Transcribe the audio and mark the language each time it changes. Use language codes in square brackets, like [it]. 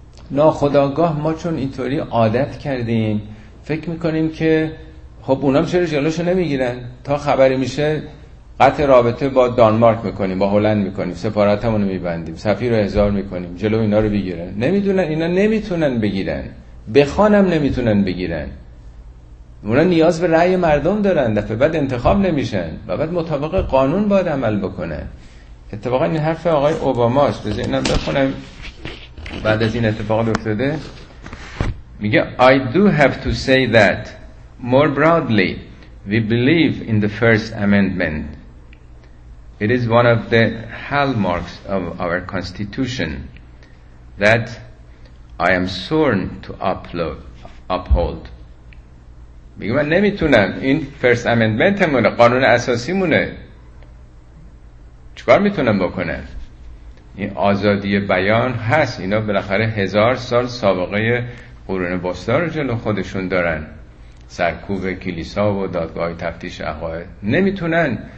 [fa] ناخودآگاه ما چون اینطوری عادت کردیم، فکر میکنیم که خب اونام چرا جلوشو نمیگیرن، تا خبری میشه قطع رابطه با دانمارک میکنیم، با هلند میکنیم، سفارتمونو میبندیم، سفیر رو احضار میکنیم، جلو اینا رو بگیرن. نمیدونن اینا نمیتونن بگیرن، بخوانم نمیتونن بگیرن، اونا نیاز به رأی مردم دارن، دفعه بعد انتخاب نمیشن و بعد مطابق قانون باید عمل بکنه. اتفاقا این حرف آقای اوباماست، بذارینم بخونم. بعد از این اتفاق افتاده میگه [en] I do have to say that more broadly we believe in the First Amendment. It is one of the hallmarks of our constitution that I am sworn to uphold. [fa] میگه من نمیتونم، این First Amendment همونه، قانون اساسی مونه، چکار میتونم بکنم؟ این آزادی بیان هست، اینا بالاخره هزار سال سابقه قرون وسطا رو جلو خودشون دارن، سرکوب کلیسا و دادگاه تفتیش عقاید، نمیتونن.